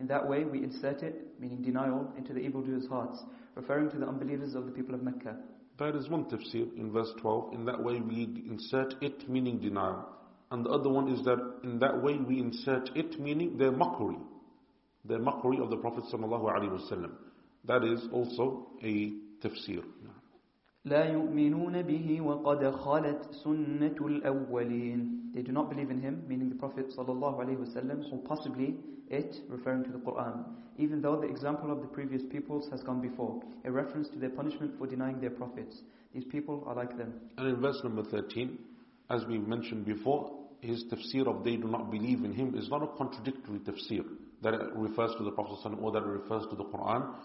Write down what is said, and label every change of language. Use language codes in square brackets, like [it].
[en] In that way we insert it, meaning denial, into the evildoers' hearts, referring to the unbelievers of the people of Mecca. That is one tafsir in verse 12. In that way we insert it, meaning denial. And the other one is that in that way we insert it, meaning their mockery. Their mockery of the Prophet ﷺ. That is also a tafsir. [ar] لا يؤمنون به وقد خالت سنة الأولين. [en] They do not believe in him, meaning the Prophet [ar] صلى الله عليه وسلم, [en] or possibly it, referring to the Quran. Even though the example of the previous peoples has gone before, a reference to their punishment for denying their prophets. These people are like them. And in verse number 13, as we mentioned before, his tafsir of they do not believe in him is not a contradictory tafsir that it refers to the Prophet ﷺ or that it refers to the Quran.